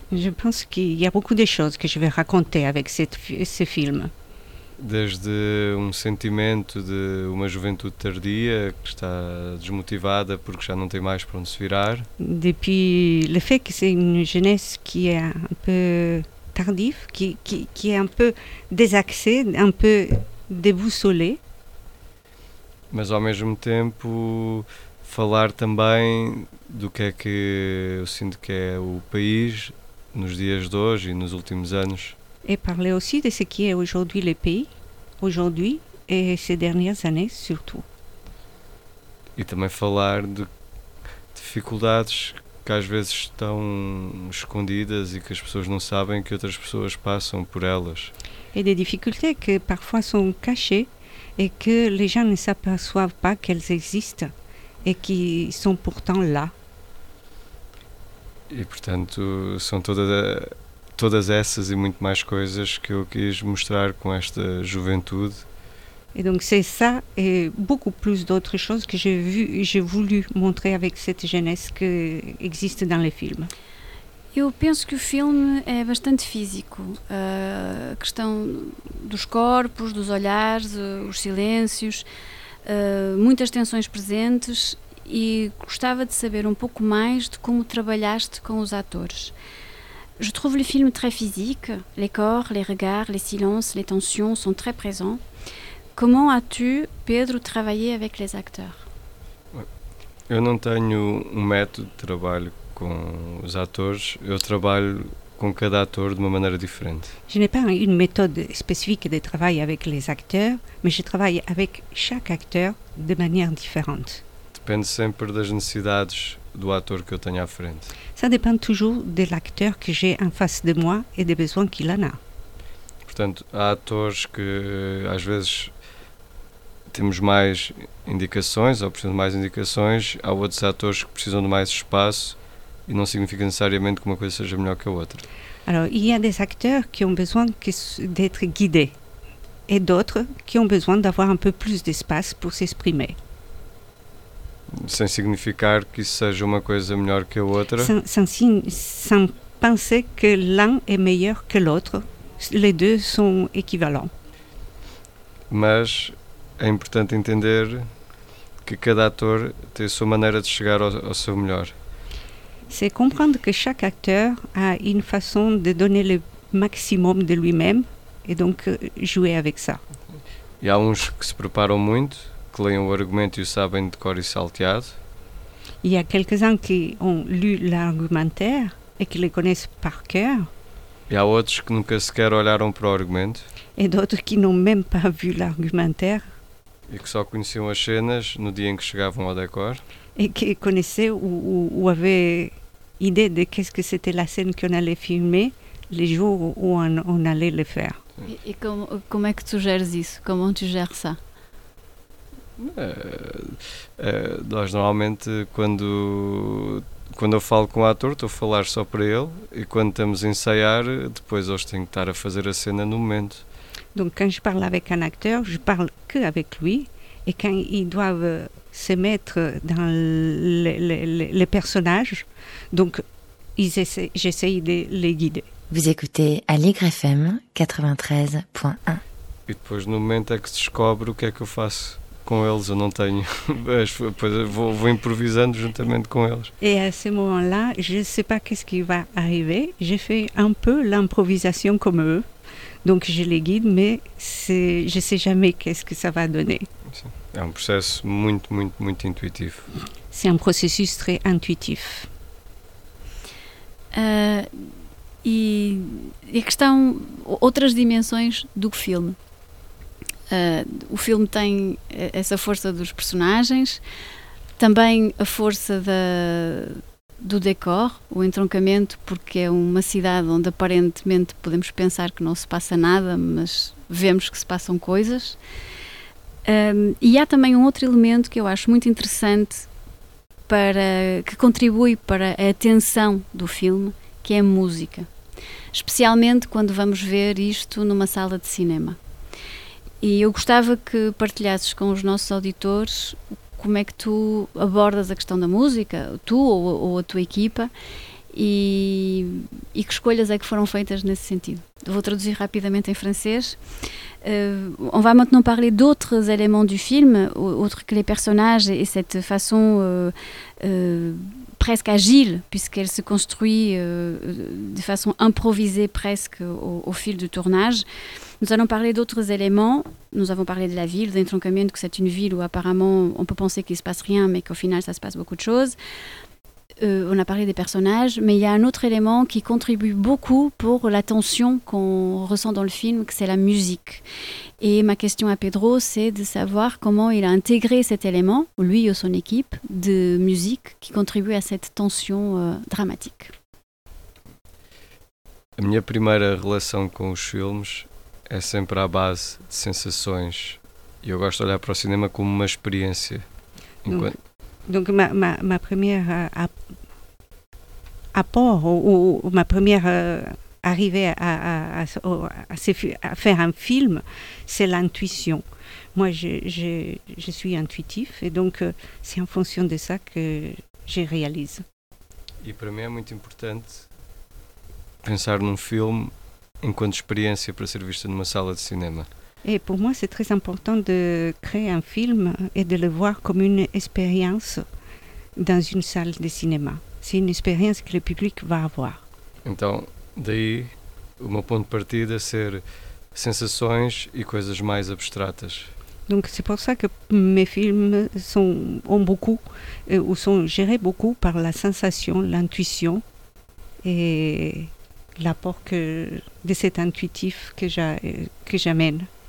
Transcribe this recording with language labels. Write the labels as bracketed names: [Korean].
[French] Je pense qu'il y a beaucoup de choses que je vais raconter avec ce film. [Portuguese] Desde um sentimento de uma juventude tardia que está desmotivada porque já não tem mais para onde se virar. [French] Depuis le fait que c'est une jeunesse qui est un peu tardive, qui est un peu désaxée, un peu déboussolée. [Portuguese] Mas ao mesmo tempo falar também do que é que eu sinto que é o país nos dias de hoje e nos últimos anos. [French] E parler aussi de ce qui est aujourd'hui le pays, aujourd'hui et ces dernières années surtout. [Portuguese] E também falar de dificuldades que às vezes estão escondidas e que as pessoas não sabem que outras pessoas passam por elas. [French] Et des difficultés que parfois sont cachées et que les gens ne s'aperçoivent pas qu'elles existent. [Portuguese] E que são, portanto, lá. E, portanto, são todas essas e muito mais coisas que eu quis mostrar com esta juventude. E, então, é isso e muito mais outras coisas que [French] j'ai voulu montrer avec cette jeunesse que existe dans le film. [Portuguese] Eu penso que o filme é bastante físico. A questão dos corpos, dos olhares, os silêncios. Muitas tensões presentes e gostava de saber um pouco mais de como trabalhaste com os atores. [French] Je trouve le film très physique, les corps, les regards, les silences, les tensions sont très présents. Comment as-tu, Pedro, travaillé avec les acteurs? [Portuguese] Eu não tenho um método de trabalho com os atores, eu trabalho com cada ator de uma maneira diferente. [French] Je n'ai pas une méthode spécifique de travail avec les acteurs, mais je travaille avec chaque acteur de manière différente. [Portuguese] Depende sempre das necessidades do ator que eu tenho à frente. [French] Ça dépend toujours de l'acteur que j'ai en face de moi et des besoins qu'il en a. [Portuguese] Portanto, há atores que às vezes temos mais indicações ou precisam de mais indicações, há outros atores que precisam de mais espaço. E não significa necessariamente que uma coisa seja melhor que a outra. [French] Alors, il y a des acteurs qui ont besoin d'être guidés et d'autres qui ont besoin d'avoir un peu plus d'espace pour s'exprimer. [Portuguese] Sem significar que isso seja uma coisa melhor que a outra. [French] Sans penser que l'un est meilleur que l'autre, les deux sont équivalents. [Portuguese] Mas é importante entender que cada ator tem a sua maneira de chegar ao seu melhor. [French] C'est comprendre que chaque acteur a une façon de donner le maximum de lui-même et donc jouer avec ça. Il y a [Portuguese] uns que se preparam muito, que leem o argumento e o sabem de cor e salteado. [French] Il y a quelques-uns qui ont lu l'argumentaire et qui le connaissent par cœur. Il y a [Portuguese] outros que nunca sequer olharam para o argumento. [French] Et d'autres qui n'ont même pas vu l'argumentaire. [Portuguese] E que só conheciam as cenas no dia em que chegavam ao decor. [French] Et qui connaissait ou avait idée de qu'est-ce que c'était la scène qu'on allait filmer les jours où on allait le faire. Et comment est-ce que tu gères isso? Comment tu gères ça? [Portuguese] Nós normalmente quando eu falo com o ator, estou a falar só para ele e quando estamos a ensaiar, depois eles têm que estar a fazer a cena no momento. [French] Donc quand je parle avec un acteur, je parle que avec lui et quand ils doivent se mettre dans les personnages, donc j'essaye de les guider. Vous écoutez Aligre FM 93.1. [Portuguese] E depois no momento é que se descobre o que é que eu faço com eles, eu não tenho, mas depois vou improvisando juntamente com eles. [French] Et à ce moment-là, je ne sais pas qu'est-ce qui va arriver, j'ai fait un peu l'improvisation comme eux, donc je les guide, mais je ne sais jamais qu'est-ce que ça va donner. [Portuguese] É um processo muito, muito, muito intuitivo. [French] C'est un processus très intuitif. [Portuguese] E a questão, outras dimensões do filme. O filme tem essa força dos personagens, também a força do decor, o entroncamento, porque é uma cidade onde aparentemente podemos pensar que não se passa nada, mas vemos que se passam coisas. E há também um outro elemento que eu acho muito interessante, para que contribui para a tensão do filme, que é a música. Especialmente quando vamos ver isto numa sala de cinema. E eu gostava que partilhasses com os nossos auditores como é que tu abordas a questão da música, tu ou a tua equipa, e que escolhas é que foram feitas nesse sentido. Vou traduzir rapidamente em francês. [French] On va maintenant parler d'autres éléments du film, autres que les personnages et cette façon presque agile, puisqu'elle se construit de façon improvisée presque au fil du tournage. Nous allons parler d'autres éléments. Nous avons parlé de la ville, d'Entroncamiento, que c'est une ville où apparemment on peut penser qu'il ne se passe rien, mais qu'au final ça se passe beaucoup de choses. On a parlé des personnages, mais il y a un autre élément qui contribue beaucoup pour la tension qu'on ressent dans le film, que c'est la musique. Et ma question à Pedro, c'est de savoir comment il a intégré cet élément, lui ou son équipe, de musique qui contribue à cette tension dramatique. [Portuguese] A minha primeira relação com os filmes é sempre à base de sensações. E eu gosto de olhar para o cinema como uma experiência. Enquanto... [French] Donc ma première apport ou ma première arrivée à faire un film, c'est l'intuition. Moi, je suis intuitif et donc c'est en fonction de ça que je réalise. Et pour moi, c'est très important de penser à un film en tant qu'expérience pour être vu dans une salle de cinéma. Et pour moi, c'est très important de créer un film et de le voir comme une expérience dans une salle de cinéma. C'est une expérience que le public va avoir. [Portuguese] Então, daí, o meu ponto de partida ser sensações e coisas mais abstratas. [French] Donc, c'est pour ça que mes films ont beaucoup, ou sont gérés beaucoup par la sensation, l'intuition et l'apport de cet intuitif que j'amène.